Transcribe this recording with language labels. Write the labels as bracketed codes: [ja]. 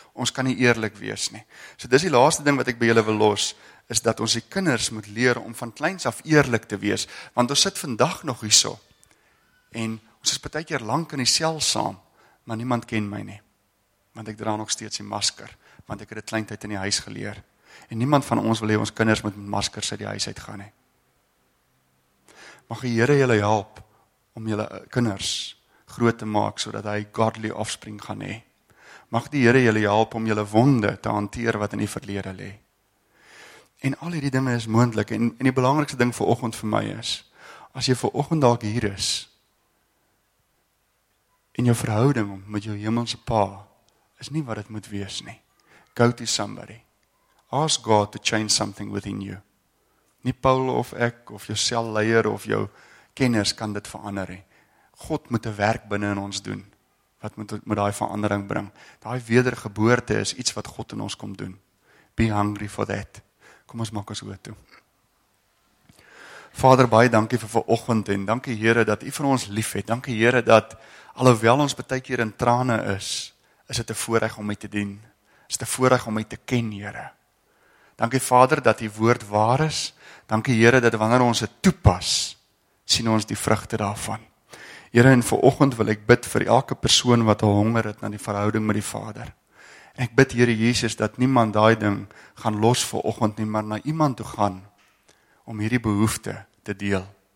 [af] Ons kan nie eerlik wees nie. So dis die laaste ding wat ek by julle wil los, is dat ons die kinders moet leer om van kleins af eerlik te wees. Want ons sit vandag nog hierso. En ons is baie keer lank in die sel saam, maar niemand ken my nie. Want ek dra nog steeds die masker, want ek het dit kleintyd in die huis geleer. En niemand van ons wil hê ons kinders moet met maskers uit die huis uit gaan nie. Mag die Here julle help om julle kinders groot te maak, sodat hy godly offspring gaan hê. Mag die Here julle help om julle wonde te hanteer wat in die verlede lê. En al hierdie dinge is moontlik en die belangrikste ding vir oggend vir my is, as jy vir oggend dalk hier is, en jou verhouding met jou hemelse pa is nie wat het moet wees nie. [en] Go to somebody. Ask God to change something within you. [af] Nie Paul of ek, of jou selleier of jou kenners kan dit verander nie. God moet 'n werk binne in ons doen. Wat moet daai verandering bring? Daai wedergeboorte is iets wat God in ons kom doen. [en] Be hungry for that. [af] Kom ons maak ons oë toe. Vader, baie dankie vir vanoggend en dankie Here dat U vir ons lief het. Dankie Here dat alhoewel ons baie keer in trane is, is dit 'n voorreg om U te dien. Is dit 'n voorreg om U te ken, Here. Dankie Vader dat U woord waar is. Dankie Here dat wanneer ons dit toepas, sien ons die vrugte daarvan. Here, en vir oggend wil ek bid vir elke persoon wat honger het na die verhouding met die Vader. En ek bid, Here Jesus, dat niemand daai ding gaan los vir oggend nie, maar na iemand toe gaan om hierdie behoefte te deel.